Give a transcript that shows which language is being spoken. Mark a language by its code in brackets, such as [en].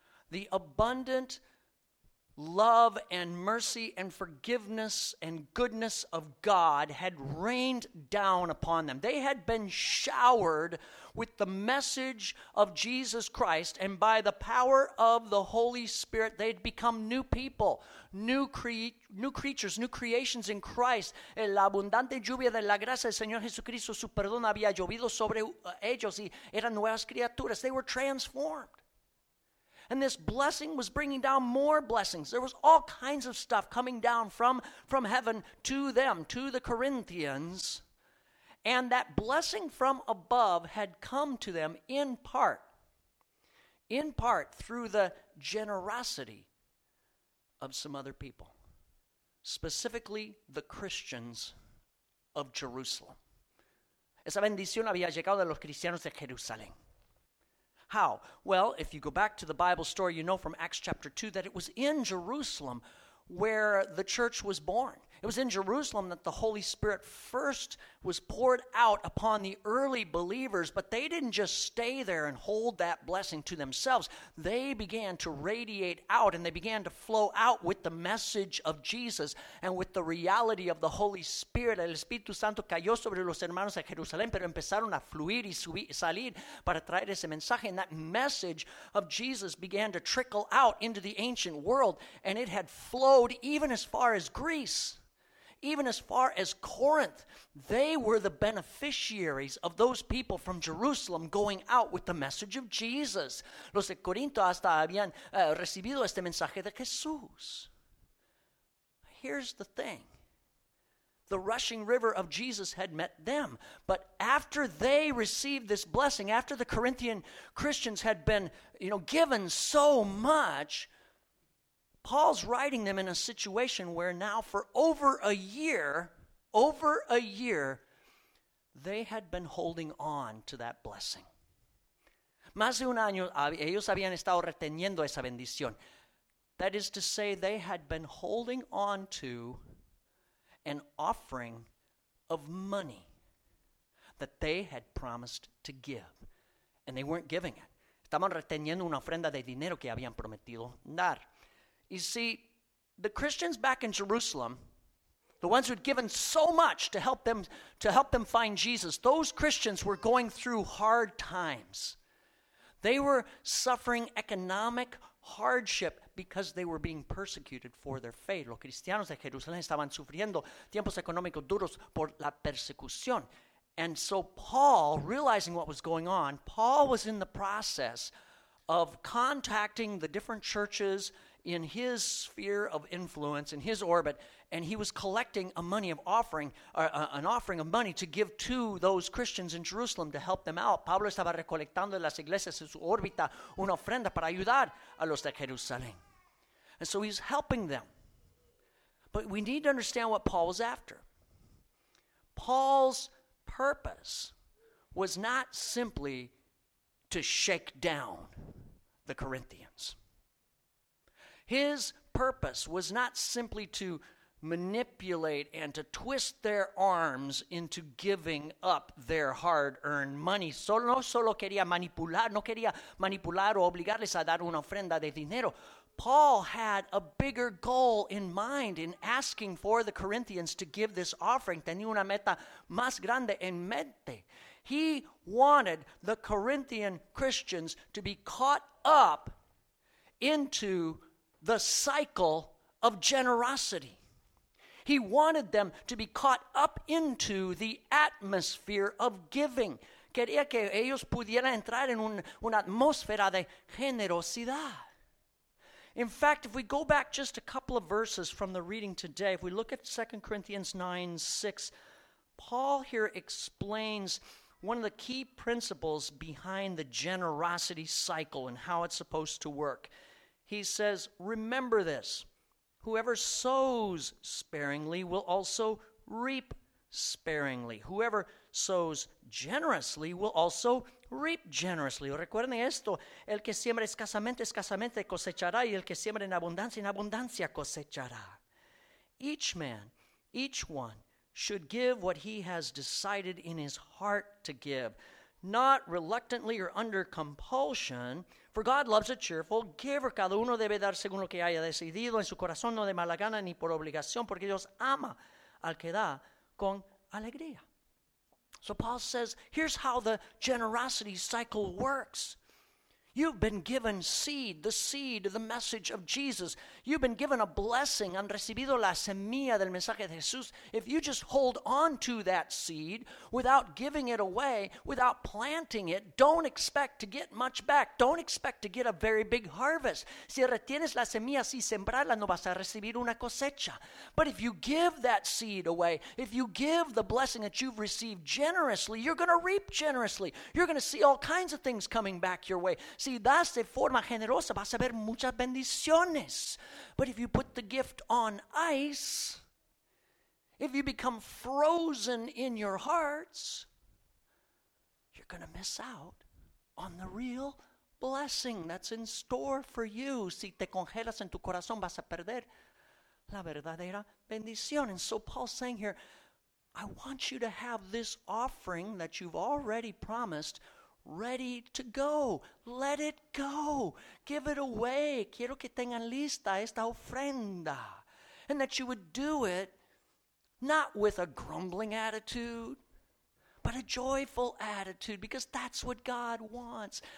[en] The abundant love and mercy and forgiveness and goodness of God had rained down upon them. They had been showered with the message of Jesus Christ, and by the power of the Holy Spirit, they'd become new people, new creatures, new creations in Christ. [es] La abundante lluvia de la gracia del Señor Jesucristo, su perdón había llovido sobre ellos y eran nuevas criaturas. [en] They were transformed. And this blessing was bringing down more blessings. There was all kinds of stuff coming down from heaven to them, to the Corinthians. And that blessing from above had come to them in part through the generosity of some other people, specifically the Christians of Jerusalem. [es] Esa bendición había llegado a los cristianos de Jerusalén. [en] How? Well, if you go back to the Bible story, you know from Acts chapter 2 that it was in Jerusalem where the church was born. It was in Jerusalem that the Holy Spirit first was poured out upon the early believers, but they didn't just stay there and hold that blessing to themselves. They began to radiate out, and they began to flow out with the message of Jesus and with the reality of the Holy Spirit. [es] El Espíritu Santo cayó sobre los hermanos de Jerusalén, pero empezaron a fluir y salir para traer ese mensaje. [en] And that message of Jesus began to trickle out into the ancient world, and it had flowed even as far as Greece. Even as far as Corinth, they were the beneficiaries of those people from Jerusalem going out with the message of Jesus. [es] Los de Corinto hasta habían recibido este mensaje de Jesús. [en] Here's the thing. The rushing river of Jesus had met them. But after they received this blessing, after the Corinthian Christians had been, you know, given so much, Paul's writing them in a situation where now for over a year, they had been holding on to that blessing. [es] Más de un año, ellos habían estado reteniendo esa bendición. [en] That is to say, they had been holding on to an offering of money that they had promised to give. And they weren't giving it. [es] Estaban reteniendo una ofrenda de dinero que habían prometido dar. [en] You see, the Christians back in Jerusalem, the ones who had given so much to help them find Jesus, those Christians were going through hard times. They were suffering economic hardship because they were being persecuted for their faith. [es] Los cristianos de Jerusalén estaban sufriendo tiempos económicos duros por la persecución. [en] And so Paul, realizing what was going on, Paul was in the process of contacting the different churches in his sphere of influence, in his orbit, and he was collecting a money of offering, an offering of money to give to those Christians in Jerusalem to help them out. [es] Pablo estaba recolectando de las iglesias en su órbita una ofrenda para ayudar a los de Jerusalén. [en] And so he's helping them. But we need to understand what Paul was after. Paul's purpose was not simply to shake down the Corinthians. His purpose was not simply to manipulate and to twist their arms into giving up their hard-earned money. [es] Solo, no solo quería manipular, no quería manipular o obligarles a dar una ofrenda de dinero. [en] Paul had a bigger goal in mind in asking for the Corinthians to give this offering. [es] Tenía una meta más grande en mente. [en] He wanted the Corinthian Christians to be caught up into the cycle of generosity. He wanted them to be caught up into the atmosphere of giving. [es] Quería que ellos pudieran entrar en una atmósfera de generosidad. [en] In fact, if we go back just a couple of verses from the reading today, if we look at 2 Corinthians 9, 6, Paul here explains one of the key principles behind the generosity cycle and how it's supposed to work. He says, remember this, whoever sows sparingly will also reap sparingly. Whoever sows generously will also reap generously. [es] Recuerden esto, el que siembra escasamente, escasamente cosechará, y el que siembra en abundancia cosechará. [en] Each man, each one, should give what he has decided in his heart to give, not reluctantly or under compulsion, for God loves a cheerful giver. [es] Cada uno debe dar según lo que haya decidido en su corazón, no de mala gana ni por obligación, porque Dios ama al que da con alegría. [en] So Paul says, here's how the generosity cycle works. You've been given seed, the message of Jesus. You've been given a blessing. [es] Han recibido la semilla del mensaje de Jesús. [en] If you just hold on to that seed without giving it away, without planting it, don't expect to get much back. Don't expect to get a very big harvest. [es] Si retienes la semilla sin sembrarla, no vas a recibir una cosecha. [en] But if you give that seed away, if you give the blessing that you've received generously, you're going to reap generously. You're going to see all kinds of things coming back your way. [es] Si das de forma generosa, vas a ver muchas bendiciones. [en] But if you put the gift on ice, if you become frozen in your hearts, you're going to miss out on the real blessing that's in store for you. [es] Si te congelas en tu corazón, vas a perder la verdadera bendición. [en] And so Paul's saying here, I want you to have this offering that you've already promised ready to go. Let it go. Give it away. [es] Quiero que tengan lista esta ofrenda. [en] And that you would do it not with a grumbling attitude, but a joyful attitude, because that's what God wants.